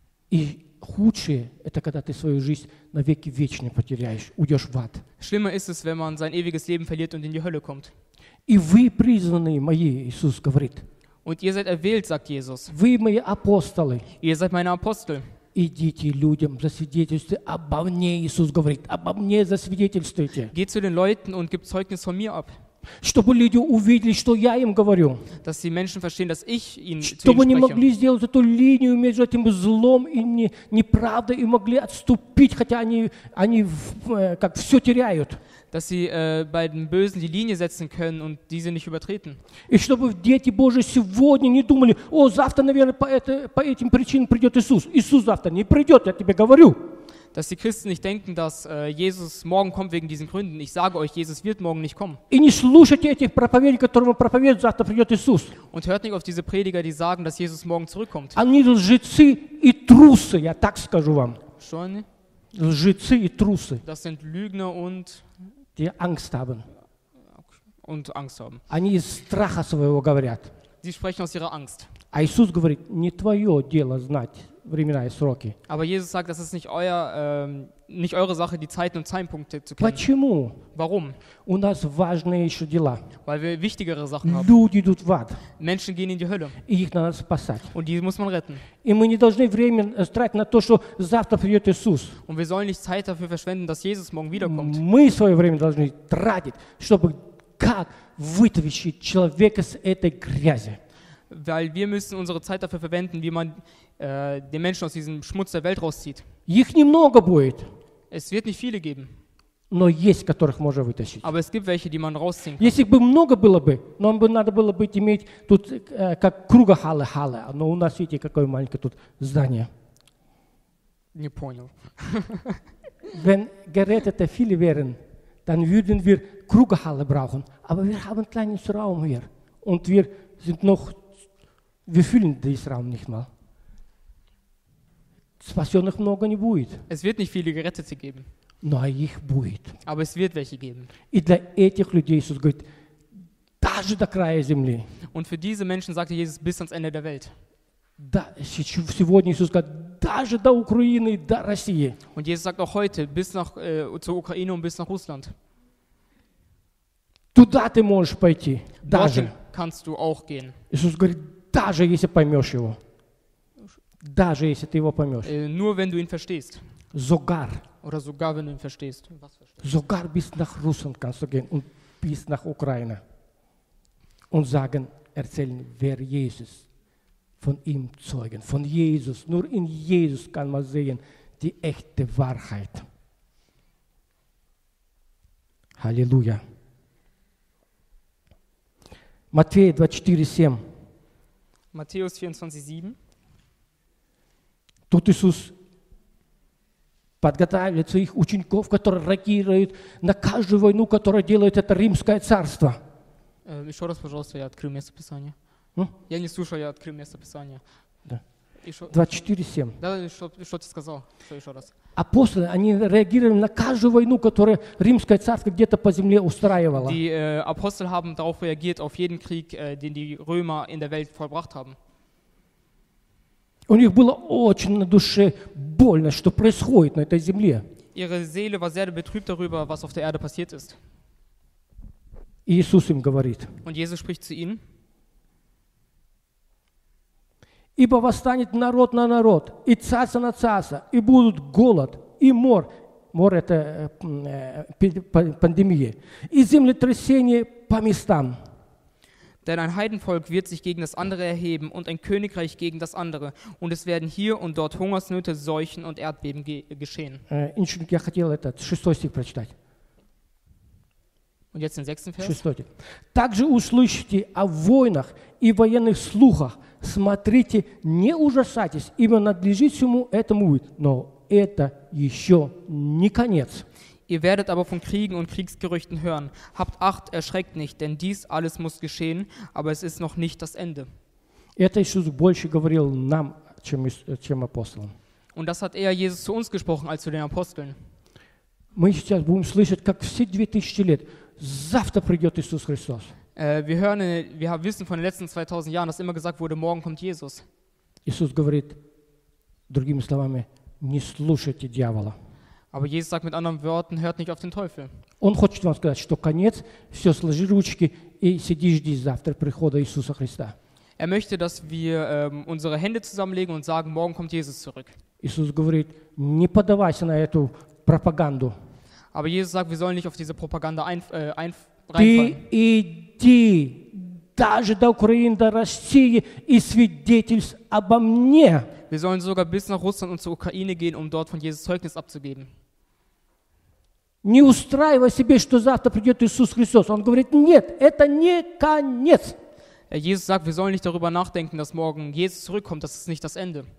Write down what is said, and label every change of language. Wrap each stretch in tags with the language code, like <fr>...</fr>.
<ru>И худшие – это когда ты свою жизнь навеки вечно потеряешь, уйдешь в ад.</ru> <de>Schlimmer ist es, wenn man sein ewiges Leben verliert und in die Hölle kommt.</de> <ru>И вы призванные мои, Иисус говорит.</ru> <de>Und ihr seid erwählt, sagt Jesus.</de> <ru>Вы мои апостолы.</ru> <de>Ihr seid meine Apostel.</de> <ru>Идите людям, засвидетельствуйте обо мне, Иисус говорит. Обо мне засвидетельствуйте.</ru> <de>Geht zu den Leuten und gibt Zeugnis von mir ab.</de> <ru>Чтобы люди увидели, что я им говорю.</ru> <de>Dass die Menschen verstehen, dass ich ihnen, zu ihnen spreche.</de> <ru>Чтобы они могли сделать эту линию между этим злом и неправдой и могли отступить, хотя они как все теряют.</ru> <de>Dass sie bei den Bösen die Linie setzen können und diese nicht übertreten.</de> <ru>И чтобы дети Божьи сегодня не думали, о, завтра, наверное, по этим причинам придет Иисус. Иисус завтра не придет, я тебе говорю.</ru> <de>Dass die Christen nicht denken, dass Jesus morgen kommt wegen diesen Gründen. Ich sage euch, Jesus wird morgen nicht kommen.</de> <ru>И не слушайте этих проповедников, которым вы проповедуете, завтра придет Иисус.</ru> <de>Und hört nicht auf diese Prediger, die sagen, dass Jesus morgen zurückkommt.</de> <ru>Они лжецы и трусы, я так скажу вам. Что они? Лжецы и трусы.</ru> <de>Das sind Lügner und... Die Angst haben. Und Angst haben.</de> <ru>Они из страха своего говорят.</ru> <de>Sie sprechen aus ihrer Angst.</de> <ru>А Иисус говорит, не твое дело знать времена и сроки.</ru> <de>Aber Jesus sagt, das ist nicht euer, nicht eure Sache, die Zeiten und Zeitpunkte zu kennen.</de> <ru>Почему?</ru> <de>Warum?</de> <ru>У нас важные еще дела.</ru> <de>Weil wir wichtigere Sachen haben.</de> <ru>Люди идут в ад.</ru> <de>Menschen gehen in die Hölle.</de> <ru>И их надо спасать.</ru> <de>Und die muss man retten.</de> <ru>И мы не должны время тратить на то, что завтра придет Иисус.</ru> <de>Und wir sollen nicht Zeit dafür verschwenden, dass Jesus morgen wiederkommt.</de> <ru>Мы свое время должны тратить, чтобы как вытащить человека с этой грязи.</ru> <de>Weil wir müssen unsere Zeit dafür verwenden, wie man den Menschen aus diesem Schmutz der Welt rauszieht.</de> <ru>Их немного будет.</ru> <de>Es wird nicht viele geben.</de> <ru>Но есть, которых можно вытащить.</ru> <de>Aber es gibt welche, die man rausziehen kann.</de> <ru>Если бы много было бы, нам бы надо было бы иметь тут как круга халы-халы. Но у нас, видите, какое маленькое тут здание. Не понял.</ru> <de>Wenn Geräte der viele wären, dann würden wir</de> <ru>круга халы</ru> <de>brauchen. Aber wir haben kleinen Raum hier. Und wir sind noch Wir fühlen diesen Raum nicht mal.</de> <ru>Спасенных много не будет.</ru> <de>Es wird nicht viele Gerettete geben.</de> <ru>Но их будет.</ru> <de>Aber es wird welche geben.</de> <ru>И для этих людей Иисус говорит, даже до края земли.</ru> <de>Und für diese Menschen sagte Jesus, bis ans Ende der Welt.</de> <ru>Да, сегодня Иисус говорит, даже до Украины, до России.</ru> <de>Und Jesus sagt auch heute, bis nach zur Ukraine und bis nach Russland.</de> <ru>Туда ты можешь пойти, даже.</ru> <de>Dorthin kannst du auch gehen.</de> <ru>Иисус говорит, даже если поймешь его. Даже если ты его поймешь.</ru> <de>Nur wenn du ihn verstehst. Sogar. Oder sogar wenn du ihn verstehst. Was verstehst? Sogar bis nach Russland kannst du gehen und bis nach Ukraine. Und sagen, erzählen, wer Jesus von ihm zeugen. Von Jesus. Nur in Jesus kann man sehen die echte Wahrheit. Halleluja. Matthäus 24,7. Matthäus 24,7.</de> <ru>Тут Иисус подготавливает своих учеников, которые реагируют на каждую войну, которую делает это Римское царство. Еще раз, пожалуйста, я открыл место Писания. Я не слушал, я открыл место Писания. Да. 24,7. Да, что ты сказал? Что еще раз? Апостолы, они реагировали на каждую войну, которую Римское царство где-то по земле устраивало.</ru> <de>Die Apostel haben darauf reagiert, auf jeden Krieg, den die Römer in der Welt vollbracht haben.</de> <ru>У них было очень на душе больно, что происходит на этой земле.</ru> <de>Ihre Seele war sehr betrübt darüber, was auf der Erde passiert ist.</de> <ru>Иисус им говорит.</ru> <de>Und Jesus spricht zu ihnen.</de> <ru>Ибо восстанет народ на народ, и царство на царство, и будут голод, и мор. Мор – это пандемия. И землетрясение по местам.</ru> <de>Denn ein Heidenvolk wird sich gegen das andere erheben und ein Königreich gegen das andere. Und es werden hier und dort Hungersnöte, Seuchen und Erdbeben geschehen.</de> <ru>Я хотел этот шестой стих прочитать.</ru> <de>Und jetzt den sechsten Vers.</de> <ru>Шестой. Также услышите о войнах и военных слухах. Смотрите, не ужасайтесь, ибо надлежит всему этому быть. Но это еще не конец.</ru> <de>Ihr werdet aber von Kriegen und Kriegsgerüchten hören. Habt Acht, erschreckt nicht, denn dies alles muss geschehen, aber es ist noch nicht das Ende.</de> <ru>Это Иисус больше говорил нам, чем апостолам.</ru> <de>Und das hat eher Jesus zu uns gesprochen als zu den Aposteln.</de> <ru>Мы сейчас будем слышать, как все 2000 лет. Завтра придет Иисус Христос.</ru> <de>Wir wissen von den letzten 2000 Jahren, dass immer gesagt wurde, morgen kommt Jesus.</de> <ru>Иисус говорит, другими словами, не слушайте дьявола.</ru> <de>Aber Jesus sagt mit anderen Worten, hört nicht auf den Teufel.</de> <ru>Он хочет вам сказать, что конец, все сложи ручки и сиди жди завтра прихода Иисуса Христа.</ru> <de>Er möchte, dass wir unsere Hände zusammenlegen und sagen, morgen kommt Jesus zurück.</de> <ru>Иисус говорит, не поддавайся на эту пропаганду.</ru> <de>Aber Jesus sagt, wir sollen nicht auf diese Propaganda reinfallen.</de> <ru>Ты иди даже до Украины, до России и свидетельствуй обо мне.</ru> <de>Wir sollen sogar bis nach Russland und zur Ukraine gehen, um dort von Jesus Zeugnis abzugeben.</de> <ru>Не устраивай себе, что завтра придет Иисус Христос. Он говорит, нет, это не конец.</ru> <de>Jesus sagt, wir sollen nicht darüber nachdenken, dass morgen Jesus zurückkommt, das ist nicht das Ende.</de>